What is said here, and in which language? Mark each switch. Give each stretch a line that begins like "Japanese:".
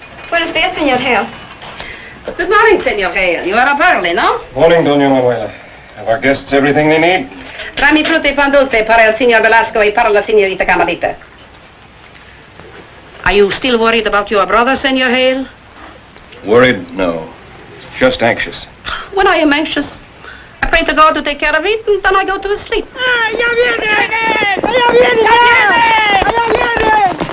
Spanish: Buenos días, señor Hale.
English: Good morning, señor Hale. You are up early, no? Morning, doña Manuela. Have our guests everything they need?
Spanish: Rami frutti pan dulce para el señor Velasco y para la señorita Camarita.
English: Are you still worried about your brother, señor Hale? Worried? No. Just anxious. When I am anxious, I pray to God to take care of it, and then I go to sleep.
Spanish: Allá viene! Allá viene! Allá viene! Allá viene!